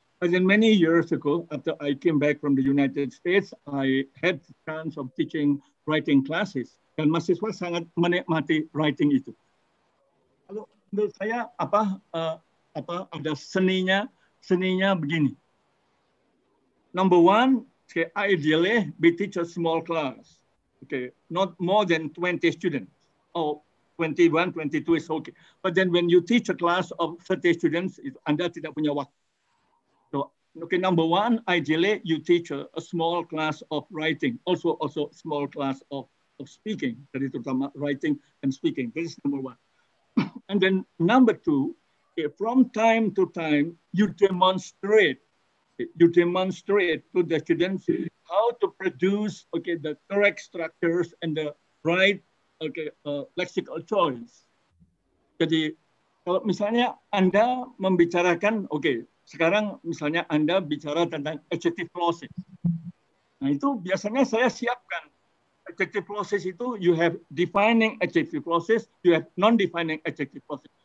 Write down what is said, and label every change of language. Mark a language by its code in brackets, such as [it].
[en] And then many years ago, after I came back from the United States, I had the chance of teaching writing classes. [id] Dan mahasiswa sangat menikmati writing itu. Kalau menurut saya apa ada seninya begini. [en] Number one, okay, ideally we teach a small class, okay, not more than 20 students. Oh, 21, 22 is okay. But then when you teach a class of 30 students, [id] Anda tidak punya waktu. [en] So, okay, number one, ideally you teach a small class of writing, also small class of speaking, [id] jadi terutama [en] writing and speaking. This is number one. And then number two, from time to time, you demonstrate to the students how to produce, okay, the correct structures and the right, okay, lexical choice. [id] Jadi kalau misalnya Anda membicarakan, okay, sekarang misalnya Anda bicara tentang adjective clauses. Nah itu biasanya saya siapkan. [en] Adjective clauses itu, you have defining adjective clauses, you have non-defining adjective clauses.